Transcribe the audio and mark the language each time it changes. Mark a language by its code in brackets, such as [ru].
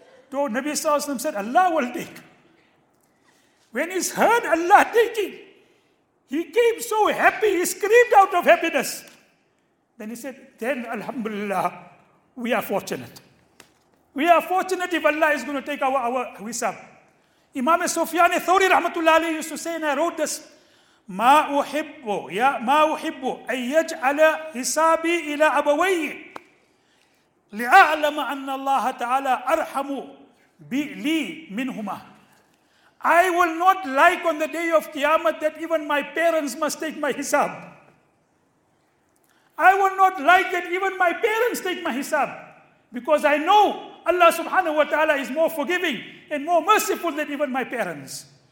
[en] So Nabi sallallahu alayhi wa sallam said, Allah will take. When he heard Allah taking, he came so happy, he screamed out of happiness. Then he said, then Alhamdulillah, we are fortunate. We are fortunate if Allah is going to take our hisab. Imam Sufyan al-Thawri rahmatullahi used to say, and I wrote this, [ar] ما أحب يا ما أحب أن يجعل حسابي إلى أبوي لأعلم أن الله تعالى أرحم لي منهما. [en] I will not like on the day of Qiyamah that even my parents must take my hisab. I will not like that even my parents take my hisab, because I know Allah subhanahu wa ta'ala is more forgiving and more merciful than even my parents.